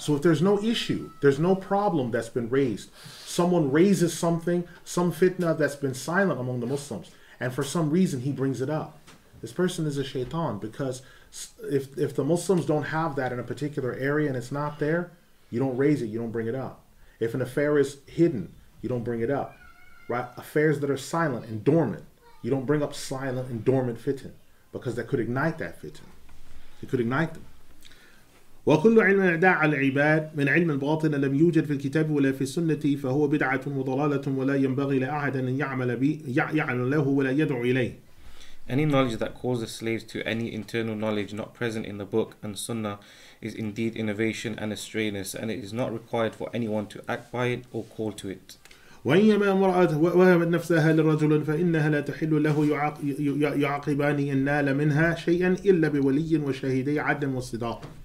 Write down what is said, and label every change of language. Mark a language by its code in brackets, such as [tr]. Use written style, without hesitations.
[en] So if there's no issue, there's no problem that's been raised, someone raises something, some fitna that's been silent among the Muslims, and for some reason he brings it up, this person is a shaitan, because if the Muslims don't have that in a particular area and it's not there, you don't raise it, you don't bring it up. If an affair is hidden, you don't bring it up. Right? Affairs that are silent and dormant, you don't bring up silent and dormant fitna, because that could ignite that fitna. It could ignite them. [ar] وكل علم اعداء العباد من علم باطن لم يوجد في الكتاب ولا في السنة فهو بدعة وضلالة ولا ينبغي لأحد أن يعمل له ولا يدعو إليه. [en] Any knowledge that causes slaves to any internal knowledge not present in the book and sunnah is indeed innovation and a strayness, and it is not required for anyone to act by it or call to it. [ar] وَإِنَّمَا امْرَأَةٌ وَهَبَتْ نَفْسَهَا لِرَجُلٍ فَإِنَّهَا لَا تَحِلُّ لَهُ يُعَاقِبَانِ إِنْ نَالَ مِنْهَا شَيْئًا إِلَّا بِوَلِيٍّ وَشَهِيدَيْ عَدْلٍ وَصِدَاقٍ.